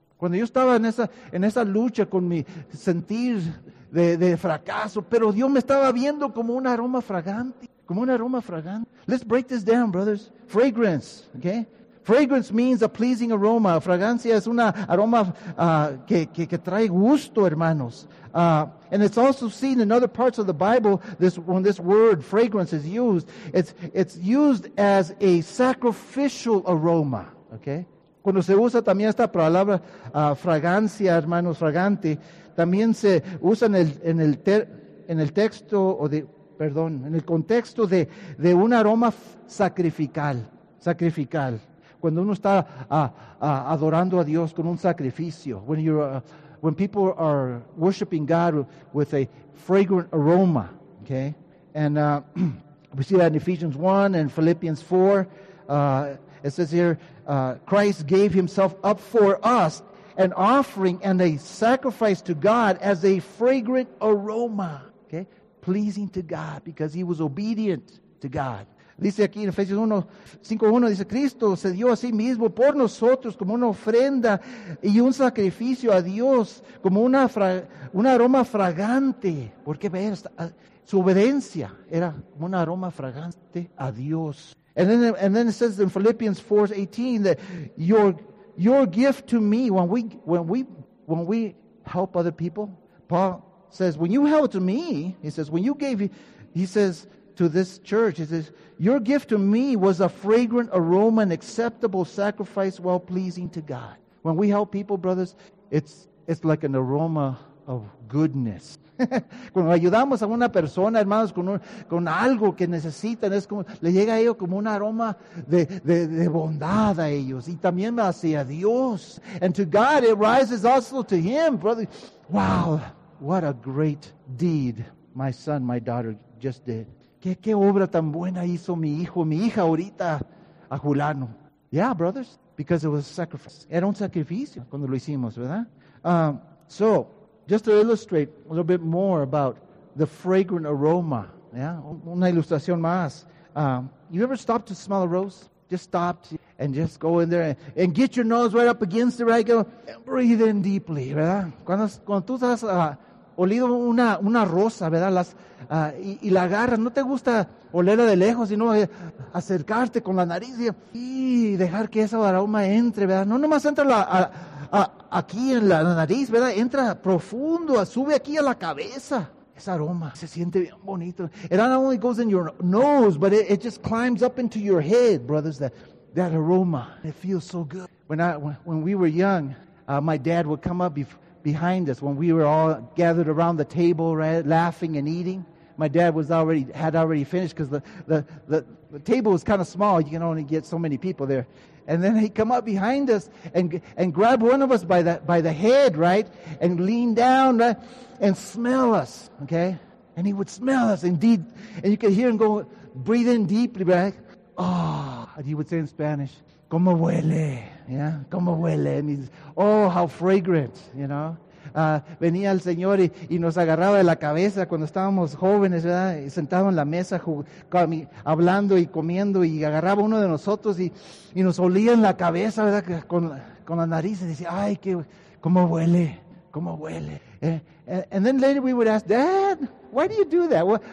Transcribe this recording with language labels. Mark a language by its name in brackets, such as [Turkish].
[Spanish] Cuando yo estaba en esa lucha con mi sentir de fracaso, pero Dios me estaba viendo como un aroma fragante. Como un aroma fragante. [English] Let's break this down, brothers. Fragrance, okay? Fragrance means a pleasing aroma. [Spanish] Fragancia es un aroma que trae gusto, hermanos. [English] And it's also seen in other parts of the Bible when this word fragrance is used. It's used as a sacrificial aroma, okay? [Spanish] Cuando se usa también esta palabra fragancia, hermanos, fragante, también se usa en el contexto de un aroma sacrificial. Cuando uno está adorando a Dios con un sacrificio, [English] when people are worshiping God with a fragrant aroma, okay, and we see that in Ephesians 1 and Philippians 4, it says here, Christ gave himself up for us, an offering and a sacrifice to God as a fragrant aroma, okay, pleasing to God because he was obedient to God. [Spanish] Dice aquí en Efesios 5:1, dice, Cristo se dio a sí mismo por nosotros como una ofrenda y un sacrificio a Dios, como un aroma fragante. Porque ver, su obediencia era como un aroma fragante a Dios. [English] And then it says in Philippians 4:18 that your gift to me, when we help other people, Paul says, when you help to me, he says, when you gave, he says, to this church, he says, your gift to me was a fragrant aroma, an acceptable sacrifice, well pleasing to God. When we help people, brothers, it's like an aroma of goodness. [Spanish] Cuando ayudamos a una persona, hermanos, con algo que necesitan, es como le llega a ellos como un aroma de bondad a ellos, y también hacia Dios. [English] And to God, it rises also to Him, brother. Wow, what a great deed my son, my daughter just did. [Spanish] ¿Qué obra tan buena hizo mi hijo, mi hija ahorita a Julano? [English] Yeah, brothers, because it was a sacrifice. [Spanish] Era un sacrificio cuando lo hicimos, ¿verdad? [English] So, just to illustrate a little bit more about the fragrant aroma, yeah, [Spanish] una ilustración más. [English] You ever stopped to smell a rose? Just stopped and just go in there and get your nose right up against it, right? Go, and breathe in deeply, ¿verdad? [Spanish] Cuando tú estás olido una rosa, ¿verdad? Y la agarras, no te gusta olerla de lejos, sino acercarte con la nariz y dejar que ese aroma entre, ¿verdad? No nomás entra aquí en la nariz, ¿verdad? Entra profundo, sube aquí a la cabeza. Ese aroma se siente bien bonito. [English] It not only goes in your nose, but it just climbs up into your head, brothers. That aroma, it feels so good. When we were young, my dad would come up behind us when we were all gathered around the table, right, laughing and eating. My dad had already finished because the table was kind of small. You can only get so many people there. And then he'd come up behind us and grab one of us by the head, right, and lean down, right, and smell us, okay? And he would smell us, indeed. And you could hear him go, breathe in deeply, right? Oh, and he would say in Spanish, [Spanish] ¿Cómo huele? [English] Yeah, [Spanish] ¿Cómo huele? [English] And he's, oh, how fragrant, you know? [Spanish] Venía el Señor y nos agarraba de la cabeza cuando estábamos jóvenes, ¿verdad? Y sentado en la mesa hablando y comiendo, y agarraba uno de nosotros y nos olía en la cabeza, ¿verdad? Con la nariz, y decía, ay, qué, ¿cómo huele? ¿Cómo huele? [English] And then later we would ask, Dad, why do you do that?